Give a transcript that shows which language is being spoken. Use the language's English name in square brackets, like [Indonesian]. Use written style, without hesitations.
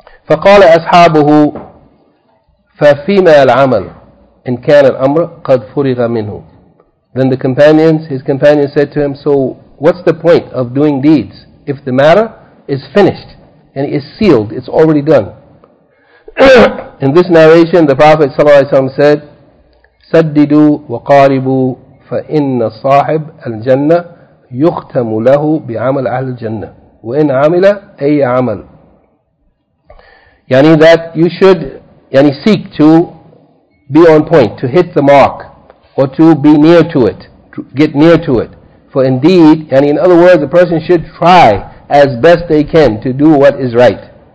[Arabic] فَقَالَ أَصْحَابُهُ فَفِيمَا الْعَمَلُ إِنْ كَانَ الْأَمْرُ قَدْ فُرِغَ مِنْهُ. [English] Then his companions said to him, so what's the point of doing deeds if the matter is finished and it is sealed, it's already done? In this narration, the Prophet ﷺ said, [Arabic] سَدِّدُوا وَقَارِبُوا فَإِنَّ صَاحِبْ الْجَنَّةِ يُخْتَمُ لَهُ بِعَمَلْ أَهْلِ الْجَنَّةِ وَإِنْ عَمِلَ أَيَّ عَمَلْ. [English] That you should seek to be on point, to hit the mark, or to be near to it, to get near to it. For indeed, in other words, a person should try as best they can to do what is right.